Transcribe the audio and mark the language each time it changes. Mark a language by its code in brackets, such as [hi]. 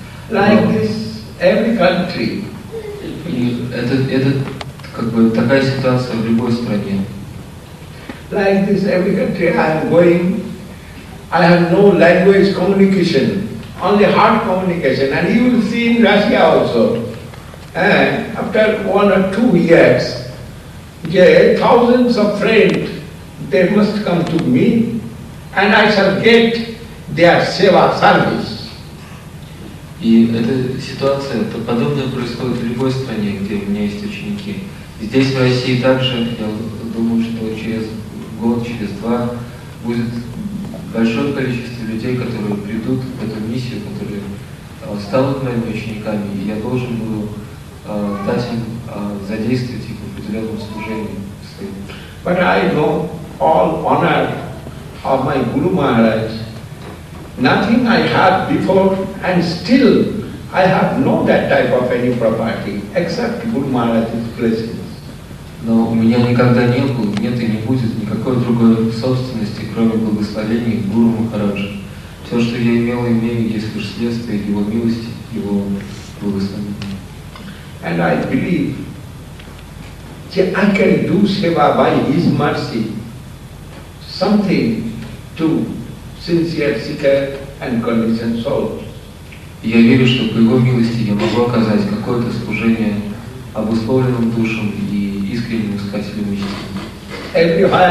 [en] Like this, every country. [ru] И это такая ситуация в любой стране. [en] Like this, every country I am going, I have no language communication, only heart communication, and you will see in Russia also. And after 1 or 2 years, thousands of friends, they must come to me, and I shall get their seva service. [ru] И эта ситуация, то подобное происходит в любой стране, где у меня есть ученики. Здесь, в России, также, я думаю, что через год, через два, будет большое количество людей, которые придут в эту миссию, которые станут моими учениками, и я должен буду дать им задействовать их в определенном служении. [en] But I know all honor of my Guru Maharaj. Nothing I had before, and still I have no that type of any property except Guru Maharaj's blessings. [ru] Но у меня никогда не было, нет и не будет никакой другой собственности, кроме благословений Гуру Махараджа. Все, что я имею, есть лишь следствие его милости, его благословения. [en] And I believe, I can do seva by His mercy, something to sincere seeker and conditioned souls. [ru] Я верю, что по Его милости я могу оказать какое-то служение обусловленным душам и искренним искателям истины.